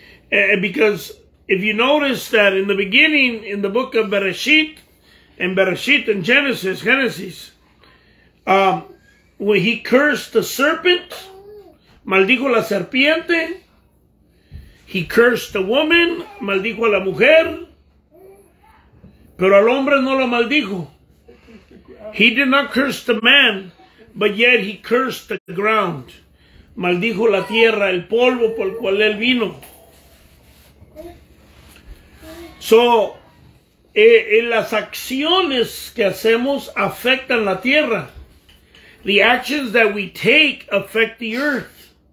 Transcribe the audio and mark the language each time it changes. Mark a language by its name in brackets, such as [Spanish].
[English] Because if you notice that in the beginning, in the book of Bereshit in Genesis, when he cursed the serpent, [Spanish] maldijo la serpiente, [English] he cursed the woman, [Spanish] maldijo a la mujer, pero al hombre no lo maldijo. [English] He did not curse the man, but yet he cursed the ground. [Spanish] Maldijo la tierra, el polvo por el cual él vino. [English] So, [Spanish] las acciones que hacemos afectan la tierra. [English] The actions that we take affect the earth.